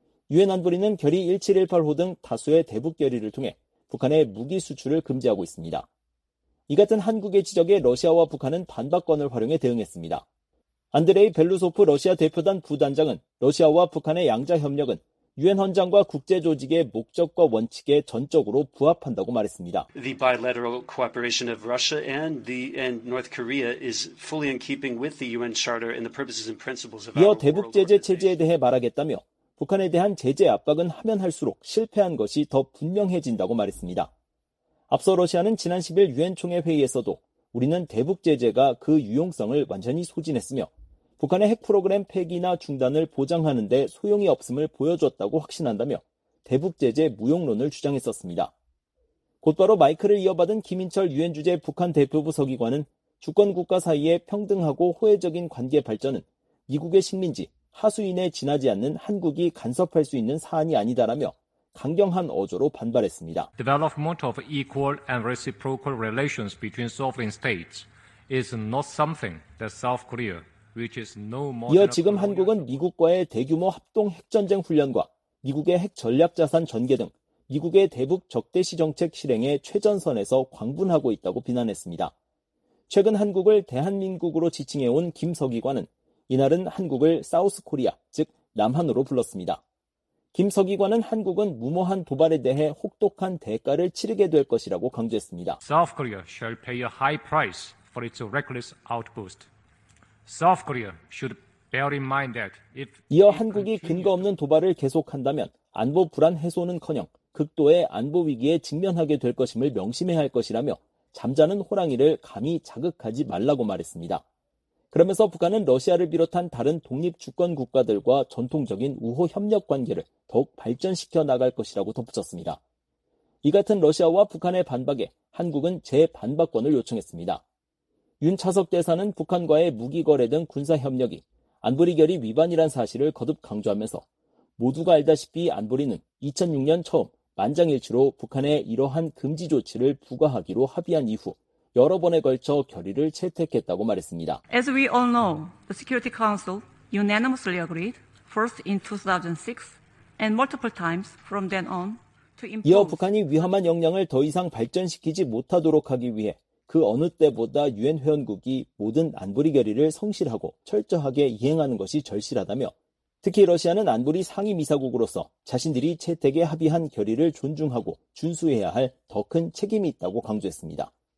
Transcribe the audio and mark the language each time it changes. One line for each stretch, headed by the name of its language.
Korean: 유엔 안보리는 결의 1718호 등 다수의 대북 결의를 통해 북한의 무기 수출을 금지하고 있습니다. 이 같은 한국의 지적에 러시아와 북한은 반박권을 활용해 대응했습니다. 안드레이 벨루소프 러시아 대표단 부단장은 러시아와 북한의 양자 협력은 유엔 헌장과 국제 조직의 목적과 원칙에 전적으로 부합한다고 말했습니다.
English: The bilateral cooperation of Russia and the and North Korea is fully in keeping with the UN Charter and the purposes and principles of our
Korean: 이어 대북 제재 체제에 대해 말하겠다며 북한에 대한 제재 압박은 하면 할수록 실패한 것이 더 분명해진다고 말했습니다. 앞서 러시아는 지난 10일 유엔 총회 회의에서도 우리는 대북 제재가 그 유용성을 완전히 소진했으며 북한의 핵 프로그램 폐기나 중단을 보장하는 데 소용이 없음을 보여줬다고 확신한다며 대북 제재 무용론을 주장했었습니다. 곧바로 마이크를 이어받은 김인철 유엔 주재 북한 대표부 서기관은 주권 국가 사이의 평등하고 호혜적인 관계 발전은 미국의 식민지, 하수인에 지나지 않는 한국이 간섭할 수 있는 사안이 아니다라며 강경한 어조로 반발했습니다.
English: Development of equal and reciprocal relations between sovereign states is not something that South Korea, which is no more.
Korean: 이어 지금 한국은 미국과의 대규모 합동 핵전쟁 훈련과 미국의 핵 전략 자산 전개 등 미국의 대북 적대시 정책 실행의 최전선에서 광분하고 있다고 비난했습니다. 최근 한국을 대한민국으로 지칭해 온 김 서기관은 이날은 한국을 사우스 코리아, 즉 남한으로 불렀습니다. 김 서기관은 한국은 무모한 도발에 대해 혹독한 대가를 치르게 될 것이라고 강조했습니다.
English: South Korea shall pay a high price for its reckless outburst. South Korea should bear in mind that if
Korean: 이어 한국이 근거 없는 도발을 계속한다면 안보 불안 해소는커녕 극도의 안보 위기에 직면하게 될 것임을 명심해야 할 것이라며 잠자는 호랑이를 감히 자극하지 말라고 말했습니다. 그러면서 북한은 러시아를 비롯한 다른 독립주권 국가들과 전통적인 우호 협력 관계를 더욱 발전시켜 나갈 것이라고 덧붙였습니다. 이 같은 러시아와 북한의 반박에 한국은 재반박권을 요청했습니다. 윤 차석 대사는 북한과의 무기 거래 등 군사 협력이 안보리 결의 위반이란 사실을 거듭 강조하면서 모두가 알다시피 안보리는 2006년 처음 만장일치로 북한에 이러한 금지 조치를 부과하기로 합의한 이후 여러 번에 걸쳐 결의를 채택했다고 말했습니다.
English: As we all know, the Security Council unanimously agreed first in 2006 and multiple times from then on to impose.
Korean: 이어 북한이 위험한 역량을 더 이상 발전시키지 못하도록 하기 위해 그 어느 때보다 유엔 회원국이 모든 안보리 결의를 성실하고 철저하게 이행하는 것이 절실하다며 특히 러시아는 안보리 상임이사국으로서 자신들이 채택에 합의한 결의를 존중하고 준수해야 할 더 큰 책임이 있다고 강조했습니다.